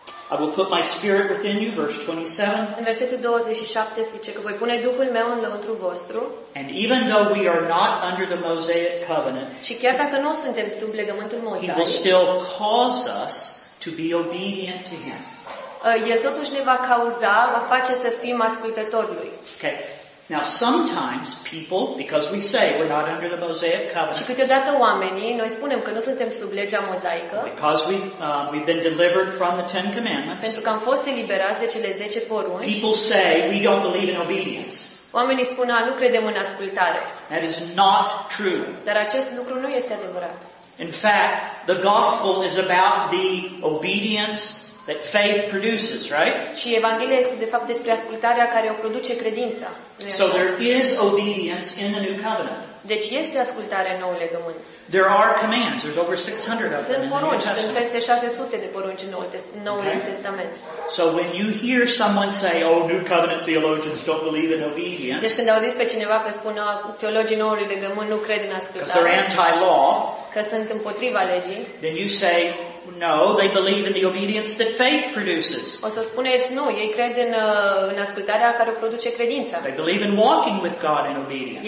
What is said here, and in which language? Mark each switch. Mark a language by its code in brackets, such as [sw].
[en] I will put my spirit within you, verse 27. [ro] În versetul 27 zice că voi pune Duhul meu în lăuntru vostru. [en] And even though we are not under the Mosaic covenant, [ro] și chiar dacă nu suntem sub legământul Mosaic, [en] he will still cause us to be obedient to him. [ro] El totuși ne va cauza, va face să fim ascultători lui. [en] Okay. Now sometimes people, because we say we're not under the Mosaic covenant. [ro] Și câteodată oamenii, noi spunem că nu suntem sub legea mozaică. [en] Because we've been delivered from the Ten Commandments. [ro] Pentru că am fost eliberați de cele 10 porunci. [en] People say we don't believe in obedience. [ro] Oamenii spun, nu credem în ascultare. [en] That is not true. [ro] Dar acest lucru nu este adevărat. [en] In fact, the gospel is about the obedience that faith produces, right? [ro] Și evanghelia este de fapt despre ascultarea care o produce credința. [en] So there is obedience in the new covenant. [ro] Deci este ascultare în noul legământ. [en] There are commands, there's over 600 of them. [ro] Sunt porunci, sunt peste 600 de porunci în noul testament. [en] So when you hear someone say, "Oh, new covenant theologians don't believe in obedience." [ro] Deci când auziți pe cineva că spune, teologii noului legământ nu cred în ascultare. [en] Because they're anti-law. [ro] Că sunt împotriva legii. [en] Then you say, no, they believe in the obedience that faith produces. [ro] O să spuneți nu, ei cred în ascultarea care produce credința. [en] They believe in walking with God in obedience.